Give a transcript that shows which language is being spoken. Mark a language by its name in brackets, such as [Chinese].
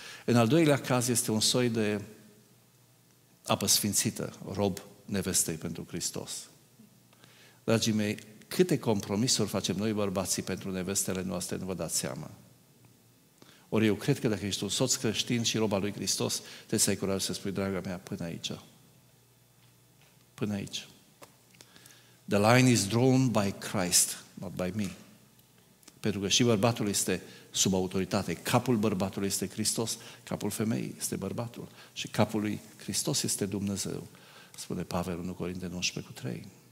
[Romanian] În al doilea caz este un soi de apă sfințită, rob nevestei pentru Hristos. Dragii mei, câte compromisuri facem noi bărbații pentru nevestele noastre, nu vă dați seama. Ori eu cred că dacă ești un soț creștin și rob al lui Hristos, trebuie să ai curaj să spui, draga mea, până aici. Până aici. [English] The line is drawn by Christ, not by me. [Romanian] Pentru că și bărbatul este sub autoritate. Capul bărbatului este Hristos, capul femeii este bărbatul. Și capul lui Hristos este Dumnezeu, spune Pavel 1 Corinteni 19:3.